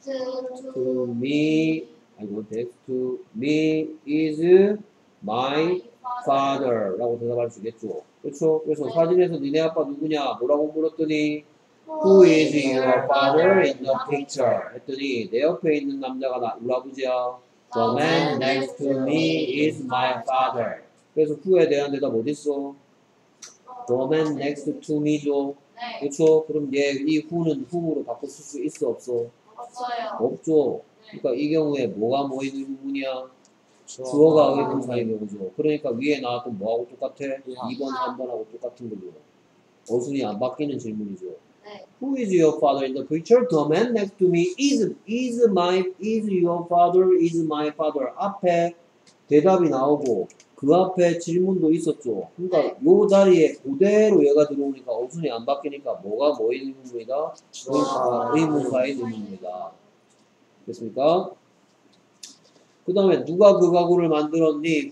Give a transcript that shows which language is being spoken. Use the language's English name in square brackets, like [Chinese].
[English] to me. Next to me is my father. [Korean] 라고 대답할 수 있겠죠. 그렇죠? 그래서 네. 사진에서 니네 아빠 누구냐? 뭐라고 물었더니 [English] Who is your father in the picture? [Korean] 했더니 내 옆에 있는 남자가 나 우리 아버지야. [English] The man next to me is my father. [Korean] 그래서 Who에 대한 대답 어딨어? [English] The man next to me [Korean] 죠. 네. 그렇죠? 그럼 얘 이 Who는 Who로 바꿨을 수 있어? 없어? 없어요. 없죠. 그러니까 이 경우에 뭐가 뭐 있는 부분이야? 주어가 의문사인 거죠. 그러니까 위에 나왔던 뭐하고 똑같아? 2번, 3번하고 똑같은 거죠. 어순이 안 바뀌는 질문이죠. 네. [English] Who is your father in the picture? The man next to me is your father is my father. [Korean] 앞에 대답이 나오고 그 앞에 질문도 있었죠. 그러니까 네. 요 자리에 그대로 얘가 들어오니까 어순이 안 바뀌니까 뭐가 뭐 있는 부분이다? 의문사인 부분입니다. 됐습니까? 그 다음에 누가 그 가구를 만들었니?